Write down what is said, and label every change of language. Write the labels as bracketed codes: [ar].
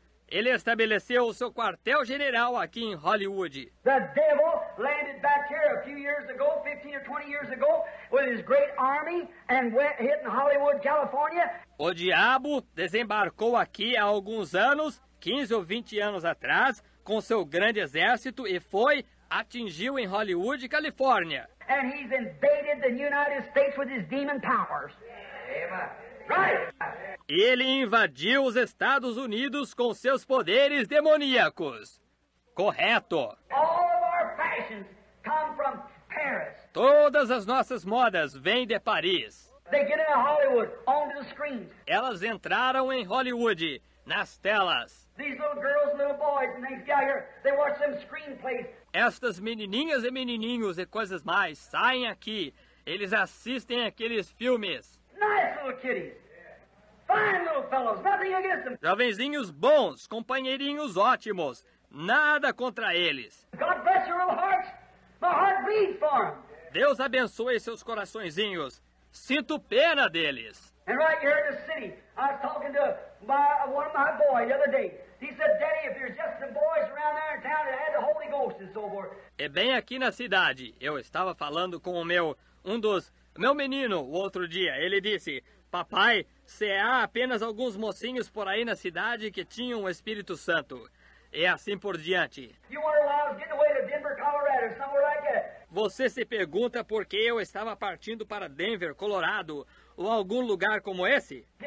[pt] Ele estabeleceu o seu quartel-general aqui em Hollywood. [en] The devil landed back here a few years ago, 15 or 20 years ago, with his great army and went hit in Hollywood, California. [pt] O diabo desembarcou aqui há alguns anos, 15 ou 20 anos atrás, com seu grande exército e foi, atingiu em Hollywood, Califórnia. [en] And he's invaded the United States with his demon powers. Yeah. Right. [pt] Ele invadiu os Estados Unidos com seus poderes demoníacos. Correto. [en] All of our fashions come from Paris. [pt] Todas as nossas modas vêm de Paris. [en] They get into Hollywood, onto the screens. [pt] Elas entraram em Hollywood, nas telas. [en] These little girls and little boys and these guys here, they watch them screenplays. [pt] Estas menininhas e menininhos e coisas mais saem aqui. Eles assistem aqueles filmes. [en] Nice little kitties. Fine little fellows. Nothing against them. [pt] Jovenzinhos bons, companheirinhos ótimos. Nada contra eles. [en] God bless your little hearts. My heart bleeds for them. [pt] Deus abençoe seus coraçõezinhos. Sinto pena deles. [en] And right here in the city, I was talking to one of my boys the other day. He said, Daddy, if there's just some boys around there in town that had the Holy Ghost and so forth. [pt] E bem aqui na cidade, eu estava falando com o meu menino o outro dia. Ele disse, papai, se há apenas alguns mocinhos por aí na cidade que tinham o Espírito Santo. E assim por diante. [en] You wonder why I was getting away to Denver, Colorado, or somewhere like that. [pt] Você se pergunta por que eu estava partindo para Denver, Colorado, ou algum lugar como esse?